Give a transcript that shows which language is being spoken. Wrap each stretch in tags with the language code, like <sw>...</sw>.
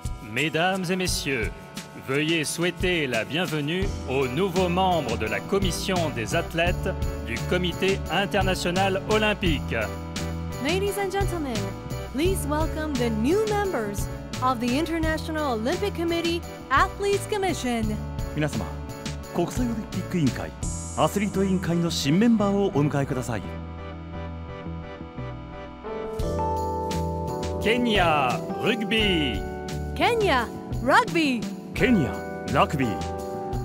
<fr>Mesdames et messieurs, veuillez souhaiter la bienvenue aux nouveaux membres de la commission des athlètes du Comité international olympique.</fr> <en>Ladies and gentlemen, please welcome the new members of the International Olympic Committee Athletes Commission.</en> <ja>皆様、国際オリンピック委員会アスリート委員会の新メンバーをお迎えください。ケニア、ラグビー。ケニア、ラグビー。ケニア、ラグビー。</ja>